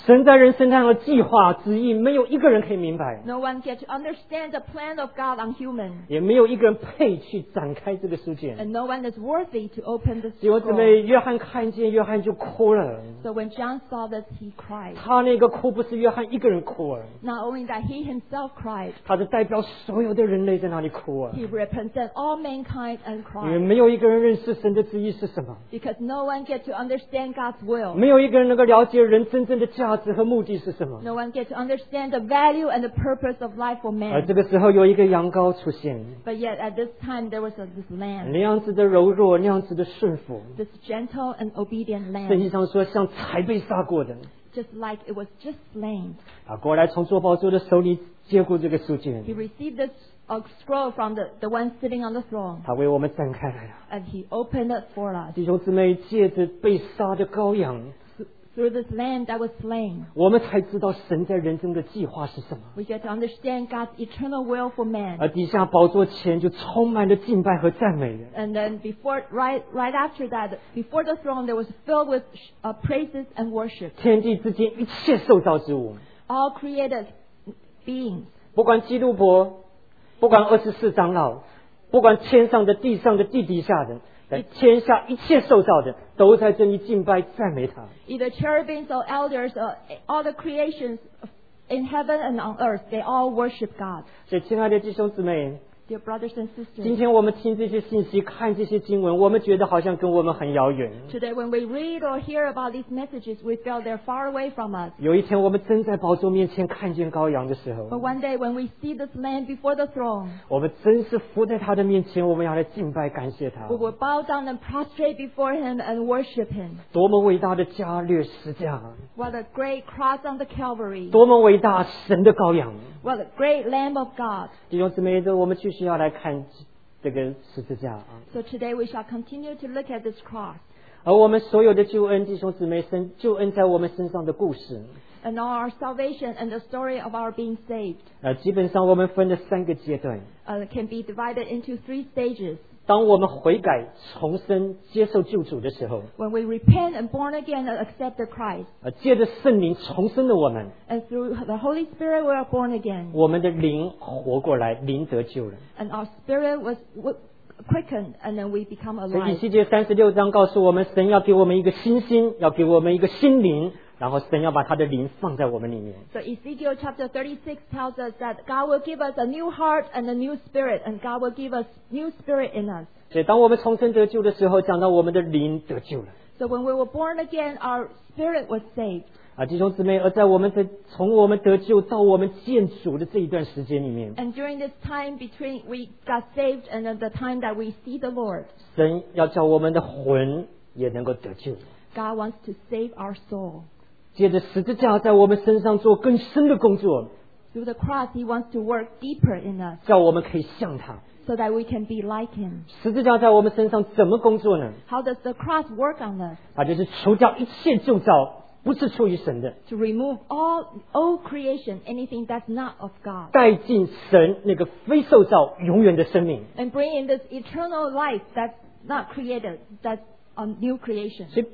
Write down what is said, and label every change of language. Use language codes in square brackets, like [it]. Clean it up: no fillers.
[zh] 神在人身上的计划旨意没有一个人可以明白。 [en] No one get to understand the plan of God on human. [zh] 也没有一个人配去展开这个书卷。 [en] And no one is worthy to open the scroll. [zh] 弟兄姊妹，约翰看见，约翰就哭了。 [en] So when John saw this, he cried. [zh] 他那个哭不是约翰一个人哭啊。 [en] Not only that, he himself cried. [zh] 他是代表所有的人类在那里哭啊。 [en] He represents all all mankind and Christ. [zh] 因为没有一个人认识神的旨意是什么。 [en] Because no one gets to understand God's will. [zh] 没有一个人能够了解人真正的价值和目的是什么。 [en] No one gets to understand the value and the purpose of life for man. [zh] 而这个时候有一个羊羔出现。 [en] But yet at this time there was this lamb. [zh] 那样子的柔弱, 那样子的顺服。 [en] This gentle and obedient lamb. [zh] 圣经上说像才被杀过的。 [en] Just like it was just slain. [zh] 过来从做宝座的手里。 [en] He received this scroll from the one sitting on the throne. [zh] 他为我们展开了, [en] and he opened it for us. [zh] 弟兄姊妹, 借着被杀的羔羊, [en] through this lamb that was slain, [zh] 我们才知道神在人生的计划是什么。 [en] We get to understand God's eternal will for man. [zh] 而底下宝座前就充满了敬拜和赞美。 [en] And then before, right after that, before the throne, there was filled with praises and worship. [zh] 天地之间一切受造之物, [en] all created beings. [zh] 不管基督伯, 不管24长老, 不管天上的地上的地底下的, 天下一切受造的, 都在这里敬拜, 赞美他。 [en] Either cherubims or elders or all the creations in heaven and on earth, they all worship God. [zh] 所以亲爱的弟兄姊妹, [en] Dear brothers and sisters, [zh] 今天我们听这些信息, 看这些经文, 我们觉得好像跟我们很遥远。 [en] Today when we read or hear about these messages, we felt they're far away from us. [zh] 有一天我们真在宝座面前看见羔羊的时候, [en] but one day when we see this man before the throne, [zh] 我们真是伏在他的面前, 我们要来敬拜, 感谢他。 [en] We will bow down and prostrate before him and worship him. [zh] 多么伟大的加略十架, [en] what a great cross on the Calvary. [zh] 多么伟大神的羔羊, [en] what a great Lamb of God. [zh] 弟兄姊妹的我们 [en] So today we shall continue to look at this cross. [zh] 而我们所有的救恩, 弟兄姊妹, 神, 救恩在我们身上的故事, [en] and all our salvation and the story of our being saved. [zh] 基本上我们分了三个阶段, [en] can be divided into three stages. [zh] 当我们悔改, 重生, 接受救主的时候, [en] when we repent and born again and accept the Christ, [zh] 借着圣灵, 重生了我们, [en] and through the Holy Spirit we are born again, [zh] 我们的灵活过来, 灵得救了, [en] and our spirit was quickened and then we become alive. [zh] 所以以西结36章告诉我们, 神要给我们一个新心, 要给我们一个心灵, 然后神要把他的灵放在我们里面。 [en] So Ezekiel chapter 36 tells us that God will give us a new heart and a new spirit, and God will give us new spirit in us. [zh] 所以当我们重生得救的时候, 讲到我们的灵得救了。 [en] So when we were born again, our spirit was saved. [zh] 弟兄姊妹, 而在我们的, 从我们得救, 到我们见主的这一段时间里面, [en] and during this time between we got saved and the time that we see the Lord, [zh] 神要叫我们的魂也能够得救。 [en] God wants to save our soul. [zh] 借着十字架在我们身上做更深的工作, [en] through the cross, He wants to work deeper in us, [zh] 叫我们可以像他, [en] so that we can be like Him. [zh] 十字架在我们身上怎么工作呢? [en] How does the cross work on us? [zh] 它就是除掉一切旧造, 不是出于神的, [en] to remove all old creation, anything that's not of God, [zh] 带进神那个非受造, 永远的生命, [en] and bring in this eternal life that's not created, that's new creation.